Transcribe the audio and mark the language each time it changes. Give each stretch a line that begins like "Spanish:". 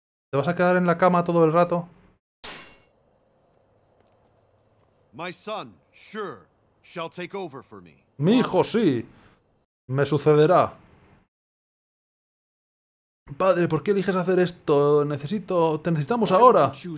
Spanish: ¿Te vas a quedar en la cama todo el rato?
English: My son, sure, shall take over for me.
Spanish: Mi hijo, sí. Me sucederá. Padre, ¿por qué eliges hacer esto? Te necesitamos ahora.